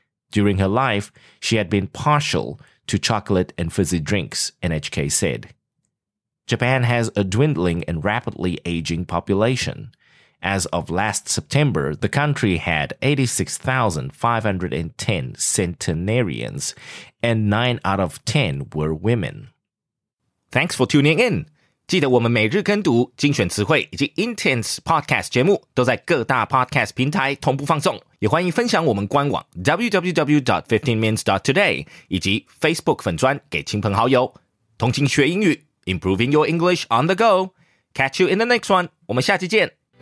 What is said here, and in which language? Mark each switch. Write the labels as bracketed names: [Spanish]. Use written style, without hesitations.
[English] During her life, she had been partial to chocolate and fizzy drinks, NHK said. Japan has a dwindling and rapidly aging population. As of last September, the country had 86,510 centenarians, and 9 out of 10 were women. Thanks for tuning in. [Chinese] 记得我们每日跟读精选词汇以及 Intense Podcast 节目都在各大 Podcast 平台同步放送。也欢迎分享我们官网 www.15minutes.today 以及 Facebook 粉专给亲朋好友。 [English] 同情学英语 ，Improving your English on the go. Catch you in the next one. [Chinese] 我们下期见。